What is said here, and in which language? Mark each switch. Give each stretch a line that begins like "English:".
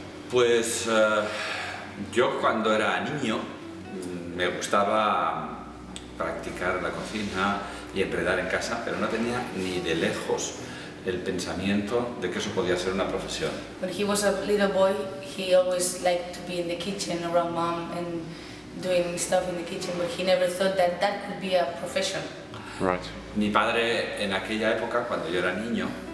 Spanish: Pues yo cuando era niño me gustaba practicar la cocina y emprender en casa, pero no tenía ni de lejos el pensamiento de que eso podía ser una profesión.
English: When he was a little boy, he always liked to be in the kitchen around mom and doing stuff in the kitchen, but he never thought that that could be a profession. Right.
Spanish: Mi padre en aquella época cuando yo era niño